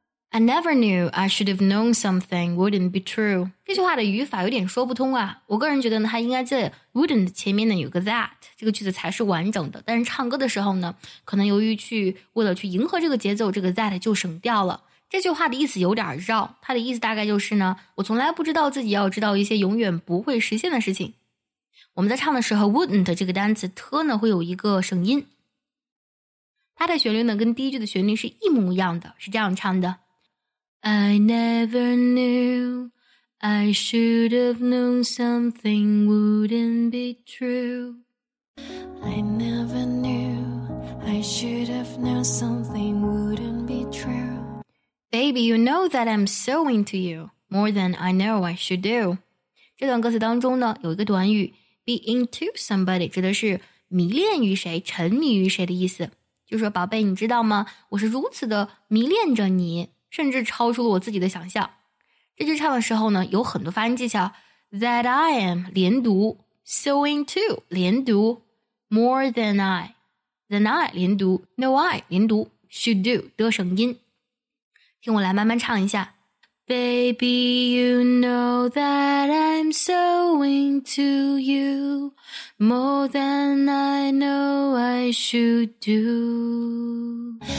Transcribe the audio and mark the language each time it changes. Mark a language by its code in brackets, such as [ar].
[en] I never knew I should have known something wouldn't be true. [zh] 这句话的语法有点说不通啊，我个人觉得呢，它应该在 wouldn't 前面呢有个 that。这个句子才是完整的，但是唱歌的时候呢，可能由于为了去迎合这个节奏，这个 that 就省掉了。这句话的意思有点绕，它的意思大概就是呢，我从来不知道自己要知道一些永远不会实现的事情。我们在唱的时候 wouldn't 这个单词 t 呢会有一个省音，它的旋律呢跟第一句的旋律是一模一样的，是这样唱的 [en] I never knewI should have known something wouldn't be true. I never knew I should have known something wouldn't be true. Baby, you know that I'm so into you more than I know I should do. [zh] 这段歌词当中呢，有一个短语 [en] be into somebody， [zh] 指的是迷恋于谁、沉迷于谁的意思。就是说，宝贝，你知道吗？我是如此的迷恋着你，甚至超出了我自己的想象。这句唱的时候呢，有很多发音技巧。 [en] That I am 连读 ，so into 连读 ，more than I 连读 ，no I 连读 ，should do 的省音。 [zh] 听我来慢慢唱一下。 [en] Baby, you know that I'm so into you, more than I know I should do.